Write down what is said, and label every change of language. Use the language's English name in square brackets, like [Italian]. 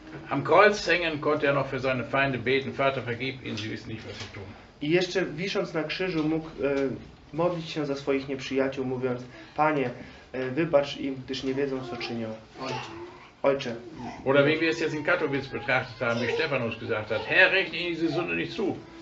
[German] Am Kreuz hängen konnte er noch für seine Feinde beten, Vater vergib ihnen, sie wissen nicht, was sie tun. [Polish] I jeszcze wisząc na krzyżu mógł modlić się za swoich nieprzyjaciół, mówiąc, Panie, wybacz im, gdyż nie wiedzą, co czynią. Ojcze. [German] Oder wie wir es jetzt in Katowice betrachtet haben, wie Stefanus gesagt hat, Herr, rechne ihnen diese Sünde nicht zu.